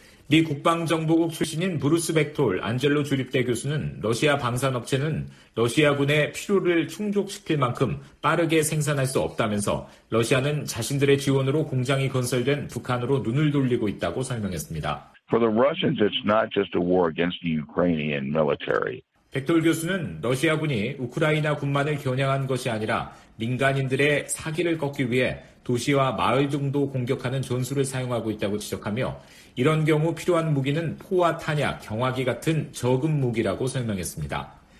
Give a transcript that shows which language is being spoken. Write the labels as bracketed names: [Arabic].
[Korean] 미 국방정보국 출신인 브루스 벡톨 안젤로 주립대 교수는 러시아 방산업체는 러시아군의 필요를 충족시킬 만큼 빠르게 생산할 수 없다면서 러시아는 자신들의 지원으로 공장이 건설된 북한으로 눈을 돌리고 있다고 설명했습니다. [English] For the Russians, it's not just a war against the Ukrainian military. [Korean] 벡톨 교수는 러시아군이 우크라이나 군만을 겨냥한 것이 아니라 민간인들의 사기를 꺾기 위해 도시와 마을 등도 공격하는 전술을 사용하고 있다고 지적하며 이런 경우 필요한 무기는 포와 탄약, 경화기 같은 저급 무기라고 설명했습니다.